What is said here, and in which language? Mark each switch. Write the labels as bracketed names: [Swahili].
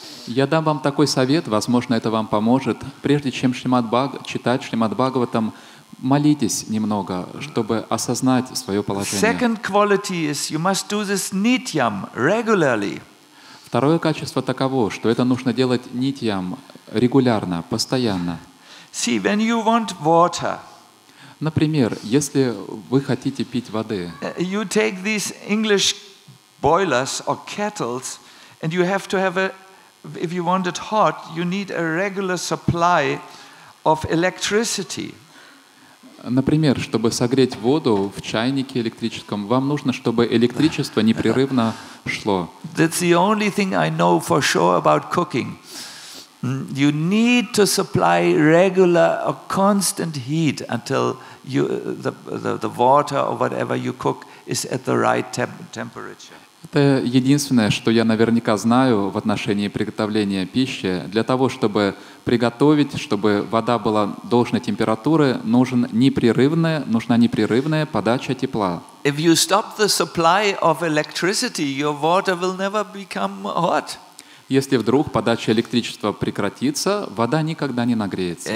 [Russian] Я дам вам такой совет, возможно, это вам поможет. Прежде чем читать Шримад Бхагаватам, молитесь немного, чтобы осознать свое положение. [English] Second quality is you must do this nityam regularly. [Russian] Второе качество таково, что это нужно делать нитьям регулярно, постоянно. [English] See, when you want water, [Russian] например, если вы хотите пить воды, [English] you take these English boilers or kettles, and you have to have a, if you want it hot, you need a regular supply of electricity. [Russian] Например, чтобы согреть воду в чайнике электрическом, вам нужно, чтобы электричество непрерывно шло. [English] That's the only thing I know for sure about cooking. You need to supply regular or constant heat until you, the water or whatever you cook is at the right temperature. [Russian] Это единственное, что я наверняка знаю в отношении приготовления пищи. Для того, чтобы приготовить, чтобы вода была должной температуры, нужна непрерывная подача тепла. [English] If you stop the supply of electricity, your water will never become hot. [Russian] Если вдруг подача электричества прекратится, вода никогда не нагреется.